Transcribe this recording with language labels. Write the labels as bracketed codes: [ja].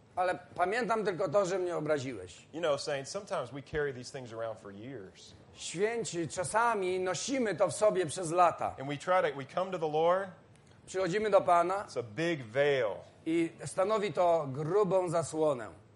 [pl] Ale pamiętam tylko to, że mnie obraziłeś. [en] You know, saints, sometimes we carry these things around for years. [pl] Święci, czasami nosimy to w sobie przez lata. [en] And we come to the Lord. [pl] Przychodzimy do Pana. [en] It's a big veil. [pl] I stanowi to grubą zasłonę.